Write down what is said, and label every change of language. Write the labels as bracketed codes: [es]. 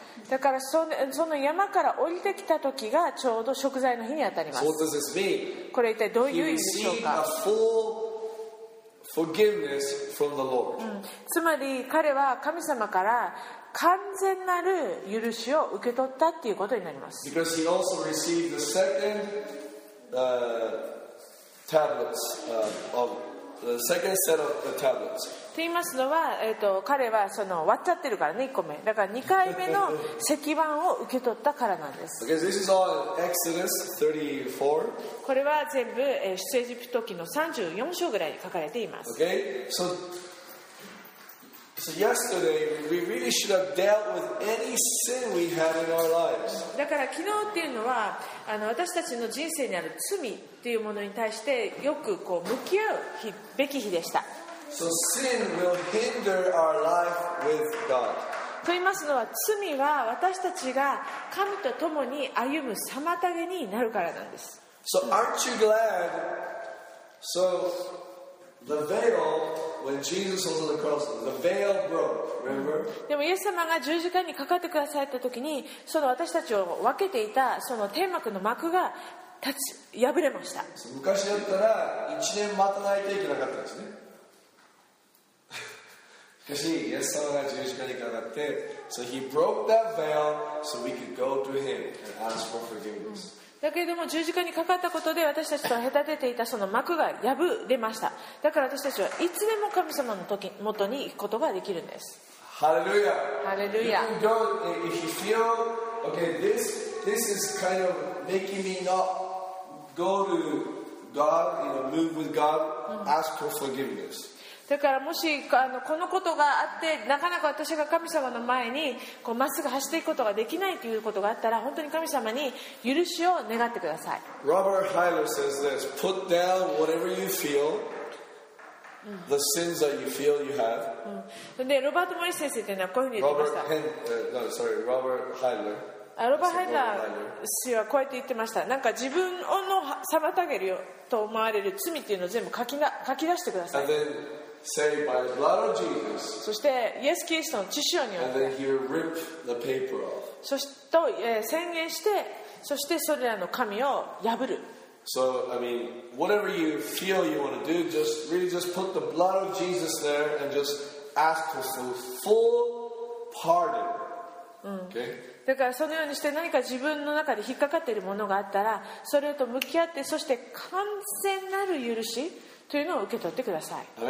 [ja] だからその山から降りてきた時がちょうど贖罪の日にあたります。 [en] What does this mean? [ja] これ一体どういう意味でしょうか。 [en] Forgiveness from the Lord. [ja] つまり彼は神様から完全なる許しを受け取ったっていうことになります。 [en] Because he also received the second tablets of the second set of the tablets. [ja] と言いますのは、彼はその割っちゃってるからね、1個目。だから2回目の石板を受け取ったからなんです。 [en] Because this is all Exodus 34. [ja] これは全部出エジプト記の34章ぐらいに書かれています。 [en] Okay, so yesterday we really should have dealt with any sin we had in our lives. [ja] だから昨日っていうのは私たちの人生にある罪っていうものに対してよくこう向き合うべき日でした。 [en] So sin will hinder our life with God. [ja] と言いますのは罪は私たちが神と共に歩む妨げになるからなんです。 [en] So aren't you glad? So The veil, when Jesus was on the cross, the veil broke. Remember? [ja] でもイエス様が十字架にかかってくださった時に、その私たちを分けていたその天幕の幕が立ち破れました。昔だったら1年待たないといけなかったんですね。しかしイエス様が十字架にかかって、 [en] So he broke that veil so we could go to him and ask for forgiveness、うん、 [ja] だけれども十字架にかかったことで私たちと隔てていたその幕が破れました。だから私たちはいつでも神様の時元に行くことができるんです。ハレルヤ。ハレルヤ。 [en] If you feel, okay, this is kind of making me not go to God, you know, move with God, ask for forgiveness. [ja] だからもしあのこのことがあってなかなか私が神様の前にまっすぐ走っていくことができないということがあったら本当に神様に許しを願ってください。 [en] Robert Heiler says this: Put down whatever you feel, the sins that you feel you have.、 [ja] うん、でロバート・モリス先生というのはこういうふうに言ってました。 [en] Robert Heiler。 [ja] ロバハイダー氏はこうやって言ってました。なんか自分の妨げるよと思われる罪っていうのを全部書き出してください。 [en] And then say by the blood of Jesus. [ja] そしてイエス・キリストの血潮によって。 [en] And then he'll rip the paper off. [ja] そして、宣言して、そしてそれらの紙を破る。 [en] So I mean, whatever you feel you want to do, just really just put the blood of Jesus there and just ask for full pardon. Okay. [ja] だからそのようにして何か自分の中で引っかかっているものがあったらそれと向き合ってそして完全なる許しというのを受け取ってください。